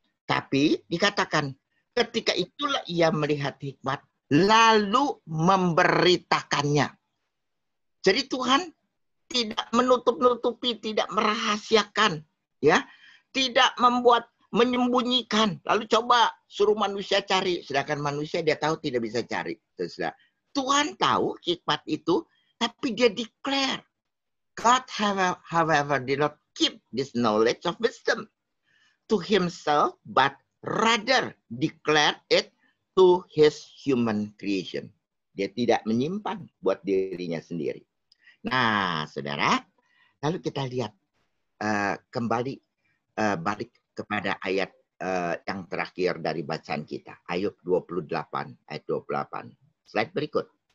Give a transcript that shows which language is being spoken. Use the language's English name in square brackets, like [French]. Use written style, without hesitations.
[Indonesian] Tapi dikatakan, ketika itulah ia melihat hikmat, lalu memberitakannya. Jadi Tuhan tidak menutup-nutupi, tidak merahasiakan, ya, tidak membuat menyembunyikan. Lalu coba suruh manusia cari, sedangkan manusia dia tahu tidak bisa cari. Sudah. Tuhan tahu hikmat itu, tapi dia declare, [English] God however did not keep this knowledge of wisdom to himself, but rather declared it to his human creation. [Indonesian] Dia tidak menyimpan buat dirinya sendiri. Nah, saudara, lalu kita lihat kembali balik kepada ayat yang terakhir dari bacaan kita. Ayub 28, ayat 28. Slide berikut.